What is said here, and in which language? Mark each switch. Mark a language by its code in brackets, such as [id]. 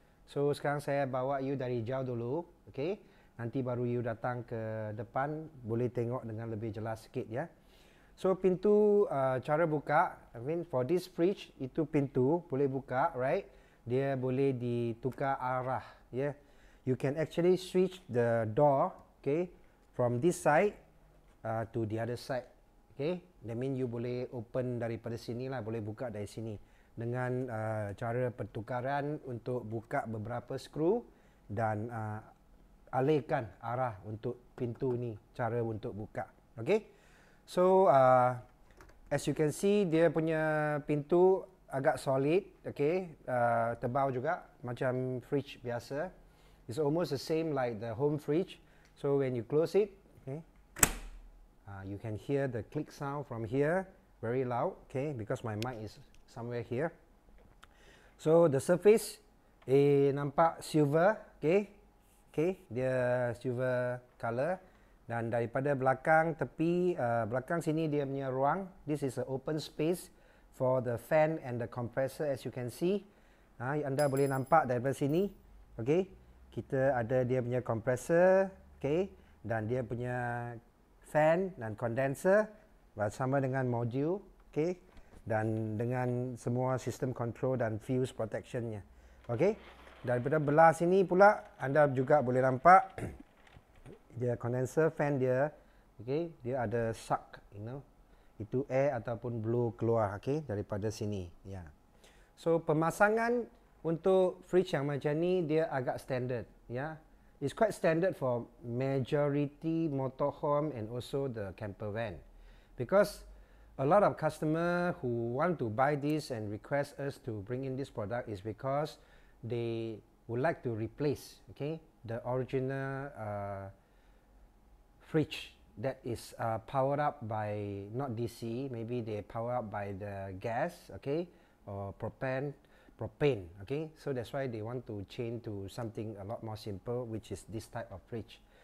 [ms] So sekarang saya bawa you dari jauh dulu, okay? Nanti baru you datang ke depan boleh tengok dengan lebih jelas sikit ya. So pintu cara buka, [en] I mean for this fridge [ms] itu pintu boleh buka, right? Dia boleh ditukar arah, ya. [en] Yeah? You can actually switch the door, okay, from this side to the other side, okay. That mean you [ms] boleh open daripada sini lah, boleh buka dari sini dengan cara pertukaran untuk buka beberapa skru dan alihkan arah untuk pintu ni, cara untuk buka, okay. [en] So as you can see, [ms] dia punya pintu agak solid, okay, tebal juga macam fridge biasa. [en] It's almost the same like the home fridge. So when you close it, okay, you can hear the click sound from here, very loud, okay, because my mic is somewhere here. So the surface, [ms] nampak silver, okay, okay, dia silver color. Dan daripada belakang tepi, belakang sini dia punya ruang. [en] This is an open space for the fan and the compressor, as you can see. [ms] Anda boleh nampak daripada sini, okay. Kita ada dia punya compressor, okay, dan dia punya fan dan condenser bersama dengan module, okay, dan dengan semua sistem control dan fuse protectionnya, okay. Daripada belah sini pula anda juga boleh nampak dia condenser fan dia, okay, dia ada suck, [en] you know, [ms] itu air ataupun blow keluar, okay, daripada sini, ya. Yeah. So pemasangan untuk fridge yang macam ni, dia agak standard, ya. [en] Yeah? It's quite standard for majority motorhome and also the camper van. Because a lot of customer who want to buy this and request us to bring in this product is because they would like to replace, okay, the original fridge that is powered up by not DC, maybe they power up by the gas, okay, or propane, okay, so that's why they want to change to something a lot more simple, which is this type of fridge.